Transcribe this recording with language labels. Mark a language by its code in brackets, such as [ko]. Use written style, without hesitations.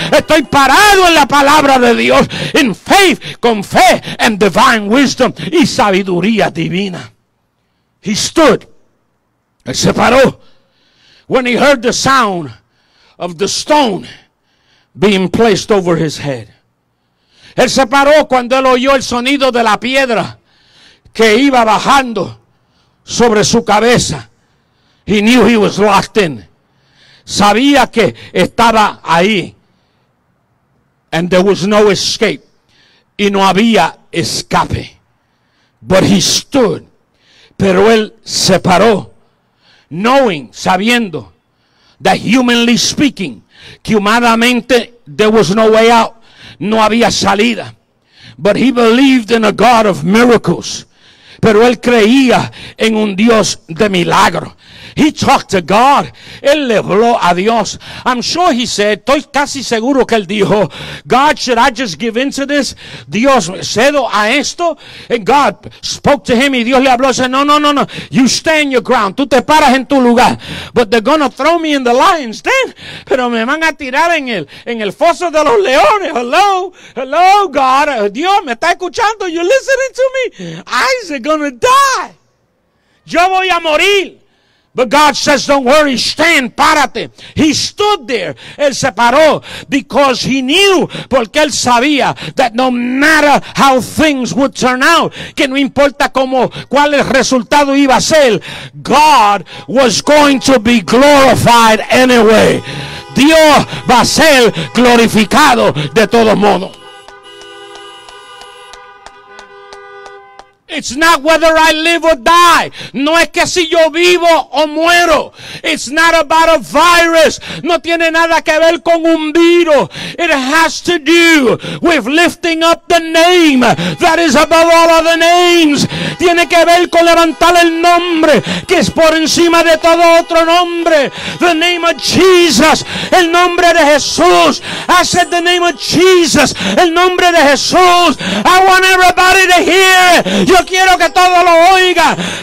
[es] Estoy parado en la palabra de Dios. [en] In faith, [es] con fe, [en] and divine wisdom, [es] y sabiduría divina. [en] He stood. [es] Él se paró. [en] When he heard the sound of the stone being placed over his head. [es] Él se paró cuando él oyó el sonido de la piedra que iba bajando sobre su cabeza. [en] He knew he was locked in. [es] Sabía que estaba ahí. [en] And there was no escape. [es] Y no había escape. [en] But he stood, [es] pero él se paró, [en] knowing, [es] sabiendo, [en] that humanly speaking, [es] que humanamente, [en] there was no way out, [es] no había salida. [en] But he believed in a God of miracles, [es] pero él creía en un Dios de milagro. [en] He talked to God. [es] Él le habló a Dios. [en] I'm sure he said, [es] estoy casi seguro que él dijo, [en] God, should I just give in to this? [es] Dios, cedo a esto? [en] And God spoke to him, [es] y Dios le habló, [en] y said, no, you stay in your ground. [es] Tú te paras en tu lugar. [en] But they're going to throw me in the lion's den. [es] Pero me van a tirar en el foso de los leones. [en] Hello, God. [es] Dios, me está escuchando. [en] You listening to me? Isaac going to die. [es] Yo voy a morir. [en] But God says, don't worry, stand, [es] párate. [en] He stood there. [es] Él se paró [en] because he knew, [es] porque él sabía, [en] that no matter how things would turn out, [es] que no importa cómo, cuál el resultado iba a ser, [en] God was going to be glorified anyway. [es] Dios va a ser glorificado de todo modo. [en] It's not whether I live or die. [es] No es que si yo vivo o muero. [en] It's not about a virus. [es] No tiene nada que ver con un virus. [en] It has to do with lifting up the name that is above all other names. [es] Tiene que ver con levantar el nombre que es por encima de todo otro nombre. [en] The name of Jesus. [es] El nombre de Jesús. [en] I said the name of Jesus. [es] El nombre de Jesús. [en] I want everybody to hear it. [es] Yo quiero que todo lo oiga.